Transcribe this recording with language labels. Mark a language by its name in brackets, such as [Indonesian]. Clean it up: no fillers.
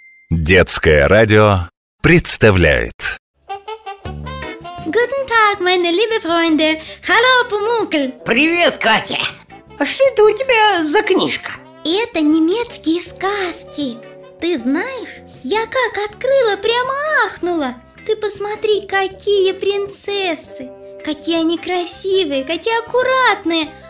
[Russian] Детское радио представляет. [German] Guten Tag, meine liebe Freunde. Hallo, Pumuckl. [Russian] Привет, Катя. А что это у тебя за книжка? Это немецкие сказки. Ты знаешь, я как открыла, прямо ахнула. Ты посмотри, какие принцессы. Какие они красивые, какие аккуратные.